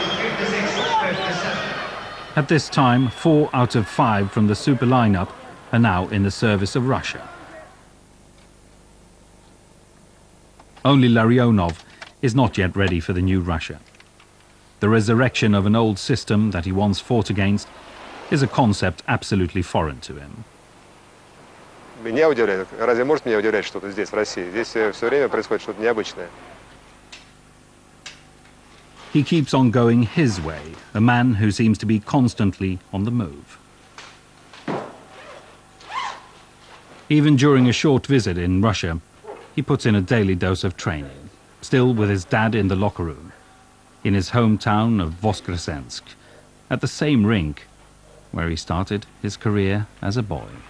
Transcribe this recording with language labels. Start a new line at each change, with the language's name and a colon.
English: At this time, four out of five from the super lineup are now in the service of Russia. Only Larionov is not yet ready for the new Russia. The resurrection of an old system that he once fought against is a concept absolutely foreign to him.
Russian: Меня удивляет. Разве может меня удивлять что-то здесь, в России? Здесь все время происходит что-то необычное.
English: He keeps on going his way, a man who seems to be constantly on the move. Even during a short visit in Russia, he puts in a daily dose of training, still with his dad in the locker room, in his hometown of Voskresensk, at the same rink where he started his career as a boy.